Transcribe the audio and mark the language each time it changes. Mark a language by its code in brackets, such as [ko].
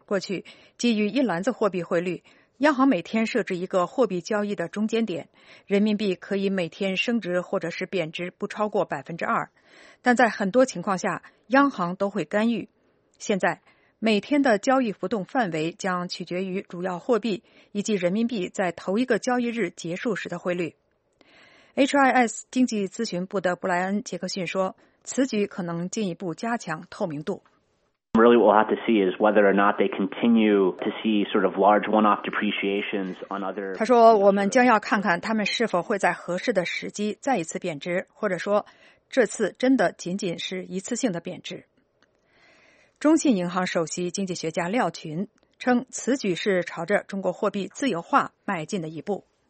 [zh] 过去，基于一篮子货币汇率，央行每天设置一个货币交易的中间点，人民币可以每天升值或者是贬值不超过2%，但在很多情况下，央行都会干预。现在，每天的交易浮动范围将取决于主要货币以及人民币在头一个交易日结束时的汇率。 HIS 经济咨询部的布莱恩·杰克逊说，此举可能进一步加强透明度。 [en] Really, what we'll have to see is whether or not they continue to see sort of large one-off depreciations on other. [zh] 他说，我们将要看看他们是否会在合适的时机再一次贬值，或者说，这次真的仅仅是一次性的贬值。中信银行首席经济学家廖群称，此举是朝着中国货币自由化迈进的一步。